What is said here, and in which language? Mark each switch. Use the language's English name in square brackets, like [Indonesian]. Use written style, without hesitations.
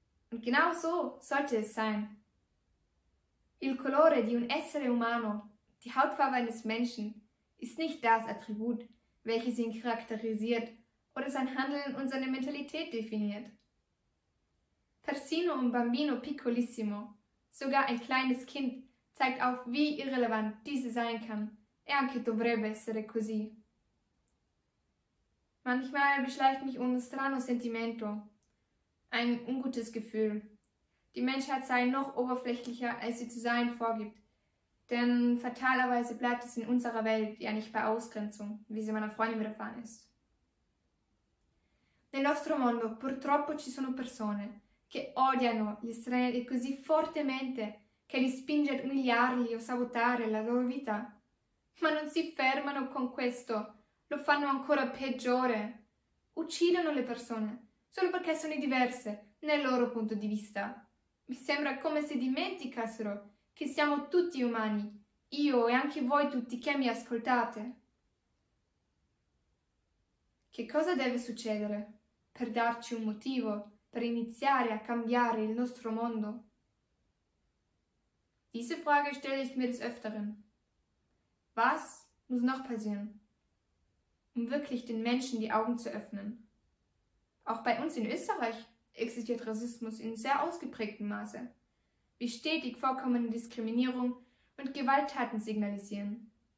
[German] Und genau so sollte es sein. [Italian] Il colore di un essere umano, [German] die Hautfarbe eines Menschen, ist nicht das Attribut, welches ihn charakterisiert oder sein Handeln und seine Mentalität definiert. [Italian] Persino un bambino piccolissimo, [German] sogar ein kleines Kind, zeigt auf, wie irrelevant diese sein kann. [Italian] E anche dovrebbe essere così. [German] Manchmal beschleicht mich [Italian] un strano sentimento. [German] Ein ungutes Gefühl. Die Menschheit sei noch oberflächlicher, als sie zu sein vorgibt. Denn fatalerweise bleibt es in unserer Welt ja nicht bei Ausgrenzung, wie sie meiner Freundin widerfahren ist. [Italian] Nel nostro mondo purtroppo ci sono persone che odiano gli stranieri così fortemente che li spinge ad umiliarli o sabotare la loro vita. Ma non si fermano con questo, lo fanno ancora peggiore. Uccidono le persone solo perché sono diverse nel loro punto di vista. Mi sembra come se dimenticassero che siamo tutti umani, io e anche voi tutti che mi ascoltate. Che cosa deve succedere per darci un motivo per iniziare a cambiare il nostro mondo? [German] Diese Frage stelle ich mir des Öfteren. Was muss noch passieren, um wirklich den Menschen die Augen zu öffnen? Auch bei uns in Österreich existiert Rassismus in sehr ausgeprägtem Maße, wie stetig vorkommende Diskriminierung und Gewalttaten signalisieren.